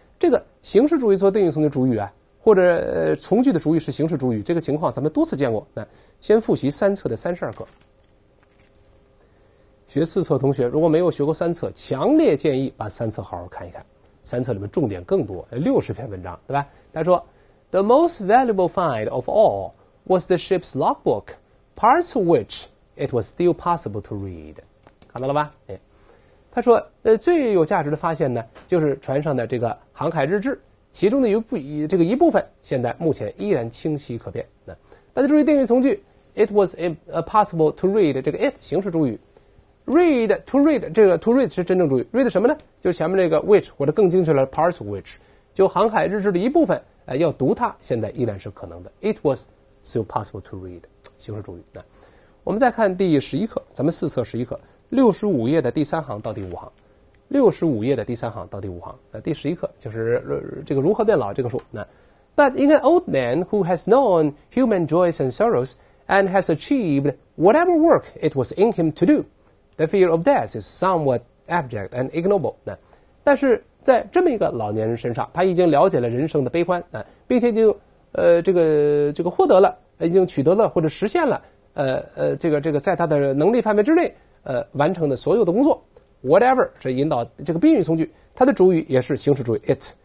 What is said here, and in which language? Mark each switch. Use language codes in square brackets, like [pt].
[zh] 这个形式主语做定语从句主语啊，或者从句的主语是形式主语，这个情况咱们多次见过。那先复习三册的32课。学四册同学如果没有学过三册，强烈建议把三册好好看一看。三册里面重点更多，60篇文章，对吧？他说 [en] The most valuable find of all was the ship's logbook, parts of which it was still possible to read. [zh] 看到了吧？哎，他说，最有价值的发现呢，就是船上的这个航海日志，其中的一部分，现在目前依然清晰可辨。大家注意定语从句 ， [en] it was possible to read [zh] 这个 it 形式主语 ，read to read 这个 to read 是真正主语 ，read 什么呢？就是前面这个 which 或者更精确的 parts of which， 就航海日志的一部分。要读它现在依然是可能的。 [en] It was still possible to read， 形式主语。 [zh] 我们再看第11课，咱们四册11课，65页的第三行到第五行，第11课就是这个如何变老这个书。 [en] But in an old man who has known human joys and sorrows and has achieved whatever work it was in him to do, the fear of death is somewhat abject and ignoble。 [zh] 但是在这么一个老年人身上，他已经了解了人生的悲欢啊，并且就这个获得了，已经取得了或者实现了这个在他的能力范围之内完成的所有的工作。 Whatever 是引导这个宾语从句，他的主语也是形式主语 it。